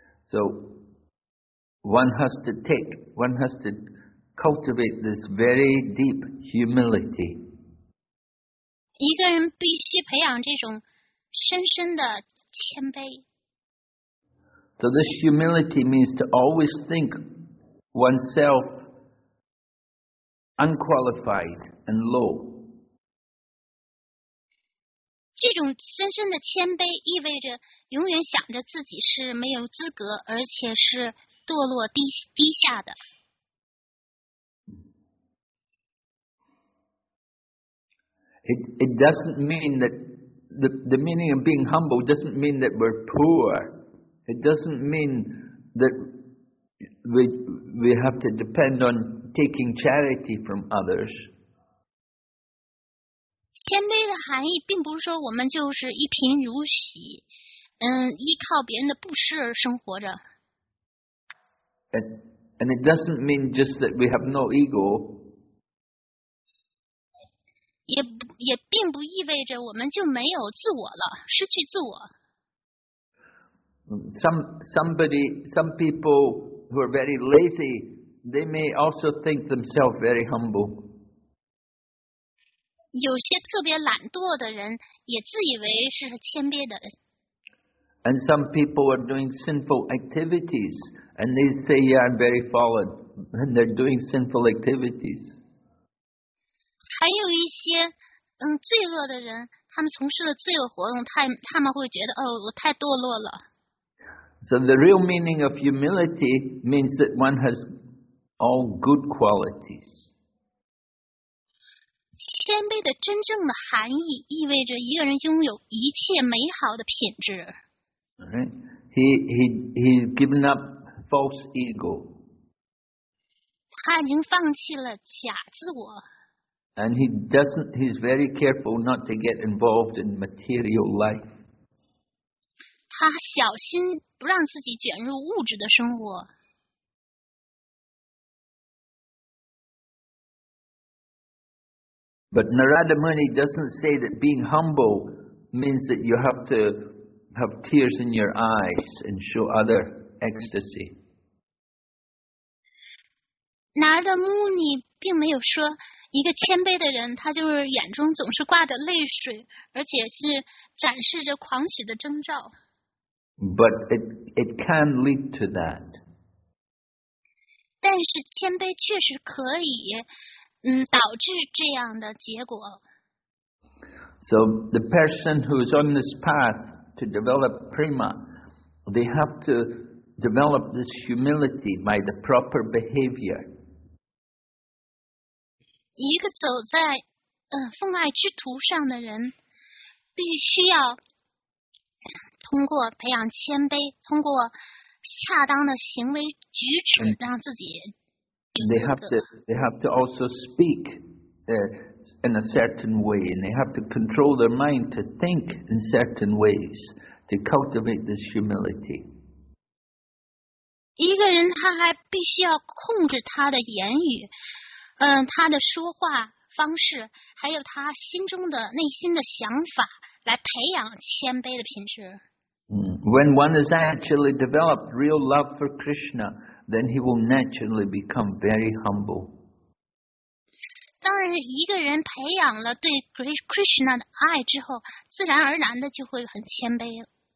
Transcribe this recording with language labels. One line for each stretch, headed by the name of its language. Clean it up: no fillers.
English: So one has to cultivate this very deep humility.
Chinese: 一个人必须培养这种深深的谦卑。
English: So this humility means to always think oneself unqualified and low.
Chinese: 这种深深的谦卑意味着永远想着自己是没有资格，而且是堕落低下的。
English: It doesn't mean that the meaning of being humble doesn't mean that we're poor. It doesn't mean that we have to depend on taking charity from others.
Chinese: 谦卑的含义并不是说我们就是一贫如洗，依靠别人的布施而生活着。
English: And it doesn't mean just that we have no ego.
Chinese: 也并不意味着我们就没有自我了，失去自我。
English: Some people who are very lazy, they may also think themselves very humble.
Chinese: 有些特别懒惰的人也自以为是谦卑的。
English: And some people are doing sinful activities, and they say, "Yeah, I'm very fallen," and they're doing sinful activities.
Chinese: 还有一些罪恶的人，他们从事的罪恶活动，他们会觉得哦，我太堕落了。
English: So the real meaning of humility means that one has all good qualities.
Chinese: 谦卑的真正的含义意味着一个人拥有一切美好的品质。
English: Right. He's given up false ego.
Chinese: 他已经放弃了假自我。
English: And he's very careful not to get involved in material life.
Chinese: 他小心不让自己卷入物质的生活。
English: But Narada Muni doesn't say that being humble means that you have to have tears in your eyes and show other ecstasy.
Chinese: Narada Muni 并没有说一个谦卑的人，他就是眼中总是挂着泪水，而且是展示着狂喜的征兆。
English: But it can lead to that.
Chinese: 但是谦卑确实可以导致这样的结果。
English: So the person who is on this path to develop prema, they have to develop this humility by the proper behavior.
Chinese: 一个走在奉爱之途上的人必须要通过培养谦卑，通过恰当的行为举止，让自己有资格。
English: They have to also speak in a certain way, and they have to control their mind to think in certain ways to cultivate this humility.
Chinese: 一个人他还必须要控制他的言语，他的说话方式，还有他心中的内心的想法，来培养谦卑的品质。
English: When one has actually developed real love for Krishna, then he will naturally become very humble.
Chinese: 当然，一个人培养了对 Krishna 的爱之后，自然而然的就会很谦卑了。